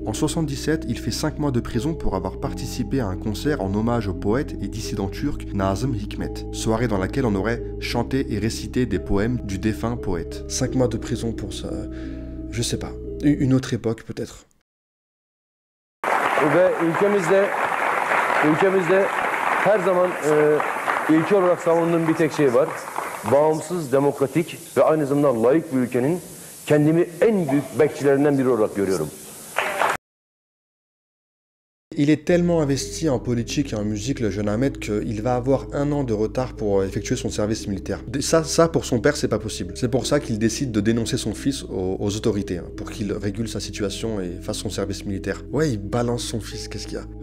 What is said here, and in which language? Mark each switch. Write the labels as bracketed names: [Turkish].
[French] En 77, il fait 5 mois de prison pour avoir participé à un concert en hommage au poète et dissident turc Nazım Hikmet, soirée dans laquelle on aurait chanté et récité des poèmes du défunt poète. 5 mois de prison pour ça, je sais pas, une autre époque peut-être. [Turkish] Ülkemizde, ülkemizde her zaman ilki olarak savunduğum bir tek şey var. Bağımsız, demokratik ve aynı zamanda laik bir ülkenin kendimi en büyük bekçilerinden biri olarak görüyorum. [French] Il est tellement investi en politique et en musique, le jeune Ahmed, qu'il va avoir 1 an de retard pour effectuer son service militaire. Ça, pour son père, c'est pas possible. C'est pour ça qu'il décide de dénoncer son fils aux autorités, hein, pour qu'il régule sa situation et fasse son service militaire. Ouais, il balance son fils, qu'est-ce qu'il y a ?